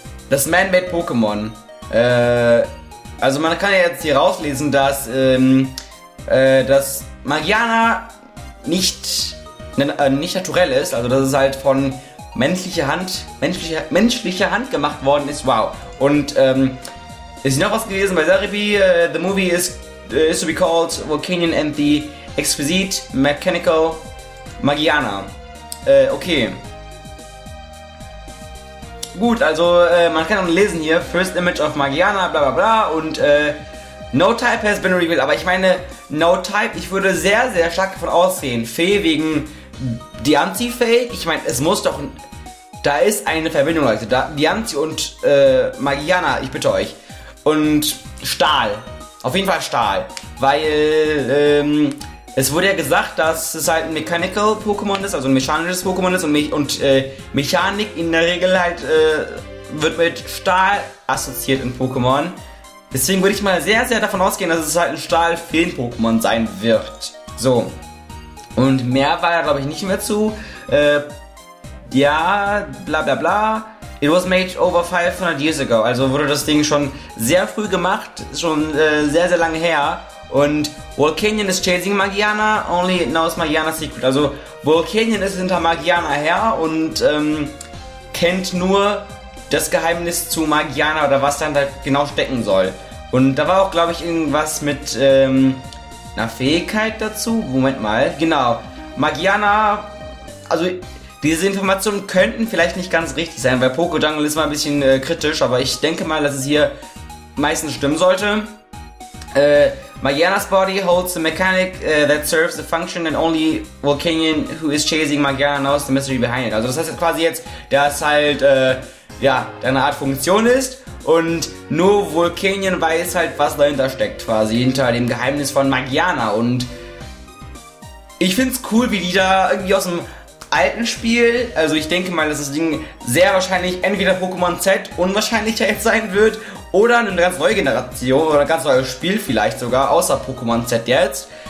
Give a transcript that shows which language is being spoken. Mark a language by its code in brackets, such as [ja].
[de] Das Man-Made Pokémon. Also man kann ja jetzt hier rauslesen, dass dass Magiana nicht naturell ist, also dass es halt von menschlicher Hand gemacht worden ist. Wow. Und ist noch was gewesen bei Serebii? [en] The movie is to be called Volcanion and the Exquisite Mechanical Magiana. [de] Okay. Gut, also man kann auch lesen hier, [en] First Image of Magiana, [de] bla bla bla, und [en] No Type has been revealed, [de] aber ich meine, No Type, ich würde sehr, sehr stark davon ausgehen, Fee wegen Dianthi-Fee, ich meine, es muss doch, da ist eine Verbindung, Leute, da, Dianthi und Magiana, ich bitte euch, und Stahl, auf jeden Fall Stahl, weil es wurde ja gesagt, dass es halt ein Mechanical Pokémon ist, also ein mechanisches Pokémon ist, und Mechanik in der Regel halt wird mit Stahl assoziiert in Pokémon. Deswegen würde ich mal sehr, sehr davon ausgehen, dass es halt ein Stahl-Film-Pokémon sein wird. So. Und mehr war da, glaube ich, nicht mehr zu. Ja, bla bla bla. [en] It was made over 500 years ago. [de] Also wurde das Ding schon sehr früh gemacht, schon sehr, sehr lange her. [en] Und Volcanion is chasing Magiana, only it knows Magiana's secret. [de] Also Volcanion ist hinter Magiana her und kennt nur das Geheimnis zu Magiana oder was dann da genau stecken soll. Und da war auch, glaube ich, irgendwas mit einer Fähigkeit dazu. Moment mal, genau. Magiana, also diese Informationen könnten vielleicht nicht ganz richtig sein, weil Pokédungle ist mal ein bisschen kritisch, aber ich denke mal, dass es hier meistens stimmen sollte. [en] Magiana's body holds the mechanic that serves the function and only Volcanion who is chasing Magiana knows the mystery behind it. [de] Also das heißt quasi jetzt, dass halt, ja, eine Art Funktion ist und nur Volcanion weiß halt, was dahinter steckt, quasi hinter dem Geheimnis von Magiana. Und ich find's cool, wie die da irgendwie aus dem alten Spiel, also ich denke mal, dass das Ding sehr wahrscheinlich entweder Pokémon Z unwahrscheinlicher jetzt sein wird oder eine ganz neue Generation oder ein ganz neues Spiel vielleicht sogar, außer Pokémon Z jetzt.